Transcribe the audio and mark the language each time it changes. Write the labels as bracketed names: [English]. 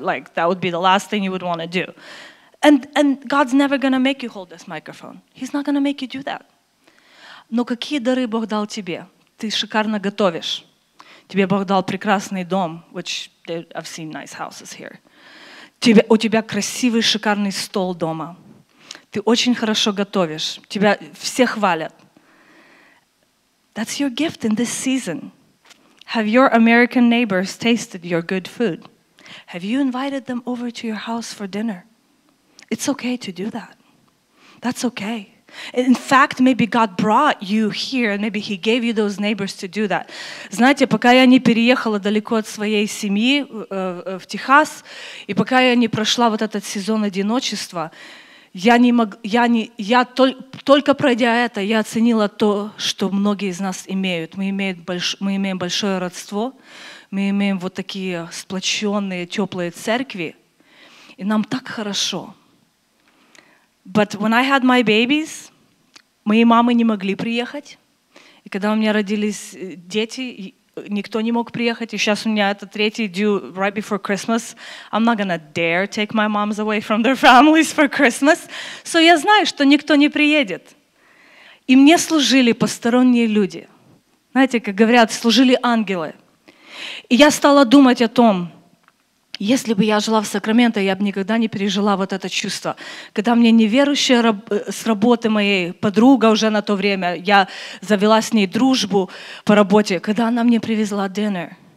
[English] Like, that would be the last thing you would want to do. And God's never going to make you hold this microphone. He's not going to make you do that. [Russian] Но какие дары Бог дал тебе? Ты шикарно готовишь. Тебе Бог дал прекрасный дом, [English] which I've seen nice houses here. [Russian] У тебя красивый, шикарный стол дома. Ты очень хорошо готовишь. Тебя все хвалят. [English] That's your gift in this season. Have your American neighbors tasted your good food? Have you invited them over to your house for dinner? It's okay to do that. That's okay. In fact, maybe God brought you here, and maybe He gave you those neighbors to do that. [Russian] Знаете, пока я не переехала далеко от своей семьи в Техас, и пока я не прошла вот этот сезон одиночества, Я только пройдя это, я оценила то, что многие из нас имеют. Мы имеем большое родство, мы имеем вот такие сплоченные, теплые церкви, и нам так хорошо. [English] But when I had my babies, [Russian] мои мамы не могли приехать. И когда у меня родились дети, никто не мог приехать. И сейчас у меня это третий [English] due right before Christmas. I'm not gonna dare take my moms away from their families for Christmas. [Russian] So я знаю, что никто не приедет. И мне служили посторонние люди. Знаете, как говорят, служили ангелы. И я стала думать о том, если бы я жила в Сакраменто, я бы никогда не пережила вот это чувство. Когда мне неверующая с работы моей подруга уже на то время, я завела с ней дружбу по работе, когда она мне привезла dinner.